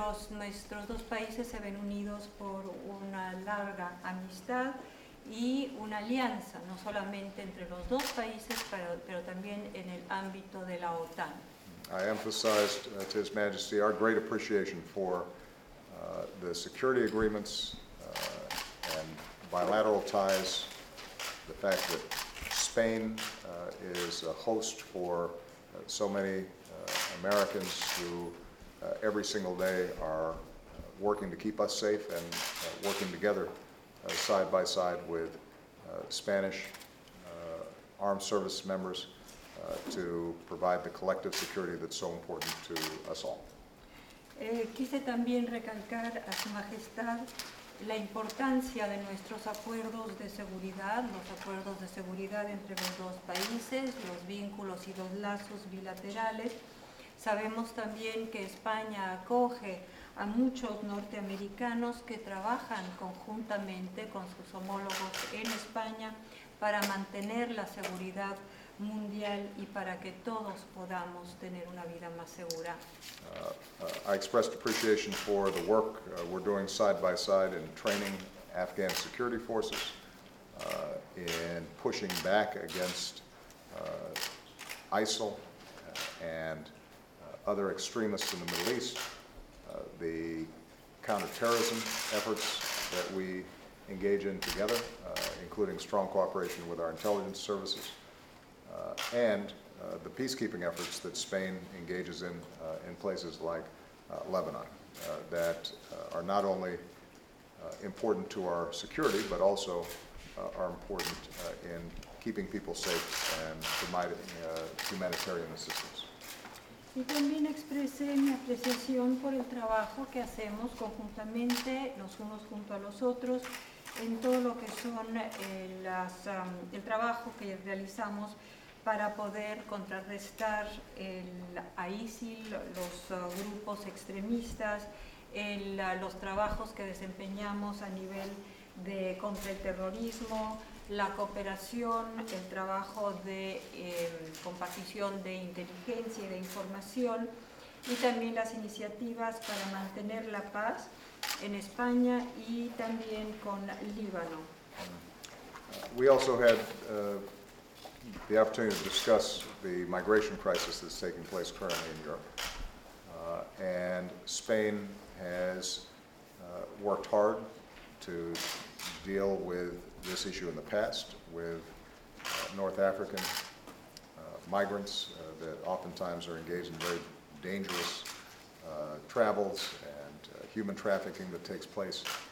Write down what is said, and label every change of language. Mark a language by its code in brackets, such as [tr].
[es] Nuestros dos países se ven unidos por una larga amistad y una alianza, no solamente entre los dos países, pero también en el ámbito de la OTAN. [en] I emphasized to His Majesty our great appreciation for the security agreements and bilateral ties, the fact that Spain is a host for so many Americans who every single day are working to keep us safe and working together side by side with Spanish armed service members to provide the collective security that's so important to us all. [es] Quise también recalcar a Su Majestad la importancia de nuestros acuerdos de seguridad, los acuerdos de seguridad entre los dos países, los vínculos y los lazos bilaterales. Sabemos también que España acoge a muchos norteamericanos que trabajan conjuntamente con sus homólogos en España para mantener la seguridad mundial y para que todos podamos tener una vida más segura. [en] I expressed appreciation for the work we're doing side by side in training Afghan security forces, in pushing back against ISIL and other extremists in the Middle East, the counterterrorism efforts that we engage in together, including strong cooperation with our intelligence services. And the peacekeeping efforts that Spain engages in places like Lebanon that are not only important to our security, but also are important in keeping keeping people safe and providing humanitarian assistance. [es] Y también expresé mi apreciación por el trabajo que hacemos conjuntamente, los unos junto a los otros, en todo lo que son el trabajo que realizamos para poder contrarrestar el ISIL, los grupos extremistas, los trabajos que desempeñamos a nivel de contra el terrorismo, la cooperación, el trabajo de compartición de inteligencia y de información, y también las iniciativas para mantener la paz en España y también con Líbano. [en] We also had the opportunity to discuss the migration crisis that's taking place currently in Europe. And Spain has worked hard to deal with this issue in the past with North African migrants that oftentimes are engaged in very dangerous travels and human trafficking that takes place.